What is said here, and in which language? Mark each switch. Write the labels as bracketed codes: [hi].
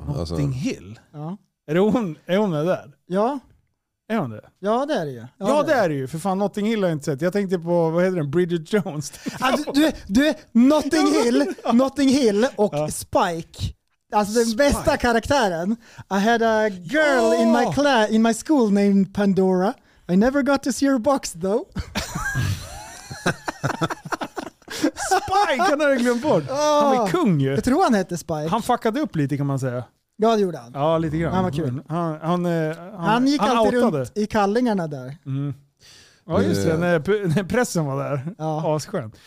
[sv] Notting Hill. Ja. Är hon med där? Ja. Är hon det? Ja, det är det ju. Ja, det är det ju. För fan, Notting Hill har jag inte sett. Jag tänkte på, vad heter den? Bridget Jones. Du, Notting Hill. Notting Hill och Spike. Alltså den bästa karaktären. [en] I had a girl in my school named Pandora. I never got to see her box though. [sv] Spike, han har glömt bort. Han är kung ju. Jag tror han hette Spike. Han fuckade upp lite kan man säga. Ja, det gjorde han. Ja, lite grann. Han var kul. Han gick han alltid outade runt i kallingarna där. Mm. Ja, just det. När pressen var där. Ja. Asskönt.